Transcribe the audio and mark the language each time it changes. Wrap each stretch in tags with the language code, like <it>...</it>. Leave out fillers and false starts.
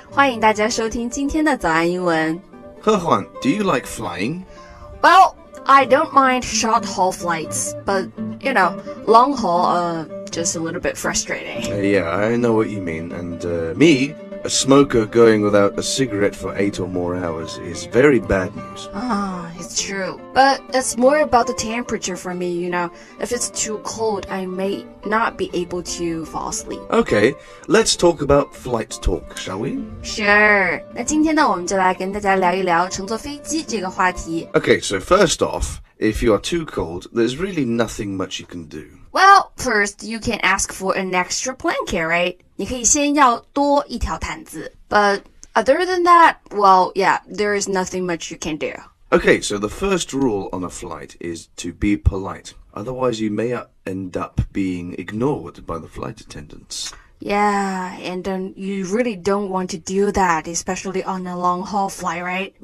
<zh>欢迎大家收听今天的早安英文。</zh> <en>He Huan, do you like flying? Well, I don't mind short-haul flights, but, you know, long-haul are just a little bit frustrating. Yeah, I know what you mean, and me, a smoker going without a cigarette for 8 or more hours is very bad news. It's true. But it's more about the temperature for me, you know. If it's too cold, I may not be able to fall asleep. Okay, let's talk about flight talk, shall we? Sure.</en> <zh>那今天呢我们就来跟大家聊一聊乘坐飞机这个话题。</zh> <en>Okay, so first off, if you are too cold, there's really nothing much you can do. Well, first, you can ask for an extra blanket, right?</en> <zh>你可以先要多一条毯子。</zh> <en>But other than that, well, yeah, there is nothing much you can do. Okay, so the first rule on a flight is to be polite. Otherwise, you may end up being ignored by the flight attendants. Yeah, and you really don't want to do that, especially on a long-haul flight, right?</en>